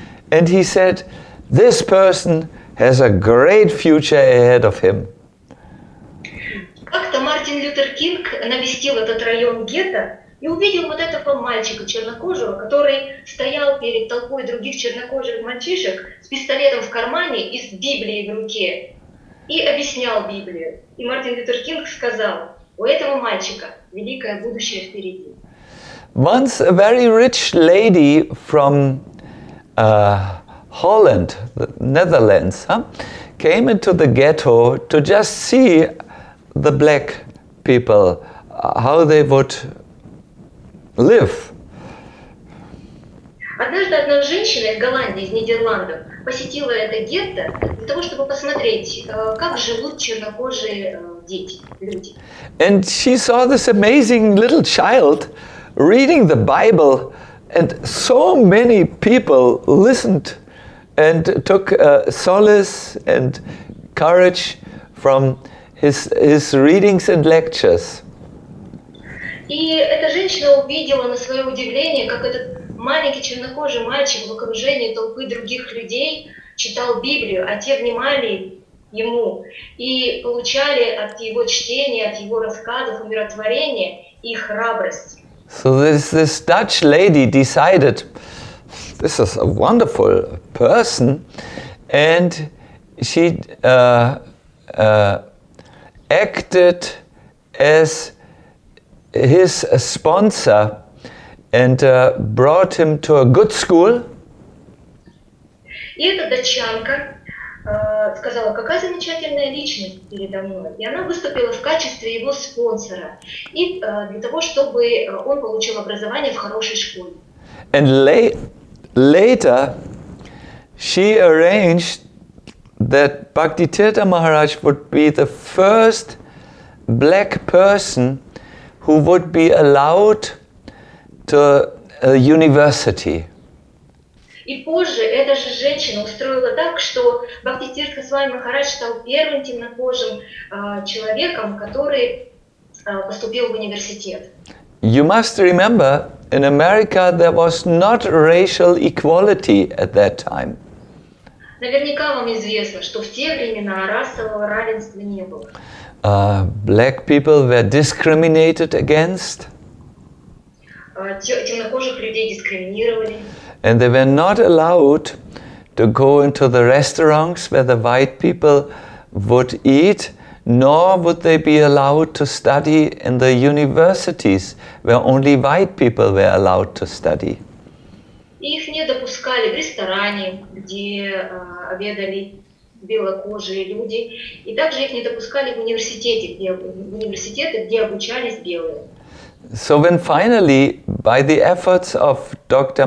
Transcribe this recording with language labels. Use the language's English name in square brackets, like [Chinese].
[English] And he said, this person has a great future ahead of him. [Russian] Как-то Мартин Лютер Кинг навестил этот район гетто и увидел вот этого мальчика чернокожего, который стоял перед толпой других чернокожих мальчишек с пистолетом в кармане и с Библией в руке и объяснял Библию. И Мартин Лютер Кинг сказал, у этого мальчика великое будущее впереди. [English] Once a very rich lady from Holland, the Netherlands, came into the ghetto to just see the black people, how they would live. [Russian] Однажды одна женщина из Голландии, из Нидерландов, посетила это гетто для того, чтобы посмотреть, как живут чернокожие дети, люди. [English] And she saw this amazing little child reading the Bible, and so many people listened and took solace and courage from his readings and lectures. [Russian] И эта женщина увидела на свое удивление, как этот маленький чернокожий мальчик в окружении толпы других людей читал Библию, а те внимали ему и получали от его чтения, от его рассказов умиротворение и храбрость. [English] So this Dutch lady decided, this is a wonderful person, and she acted as his sponsor and brought him to a good school. [Russian] И эта датчанка сказала, какая замечательная личность передо мной. И она выступила в качестве его спонсора и для того, чтобы он получил образование в хорошей школе. [English] And later, she arranged that Bhaktisiddhanta Maharaj would be the first black person who would be allowed to a university. [Russian] И позже эта же женщина устроила так, что Бхактисиддханта Свами Махарадж стал первым темнокожим человеком, который поступил в университет. [English] You must remember, in America there was not racial equality at that time. [Russian] Наверняка вам известно, что в те времена расового равенства не было. [English] Black people were discriminated against. [Russian] Темнокожих людей дискриминировали. [English] And they were not allowed to go into the restaurants where the white people would eat, nor would they be allowed to study in the universities where only white people were allowed to study. [Russian] Их не допускали в ресторане, где обедали белокожие люди, и также их не допускали в университеты, где обучались белые. [English] So when finally, by the efforts of Dr.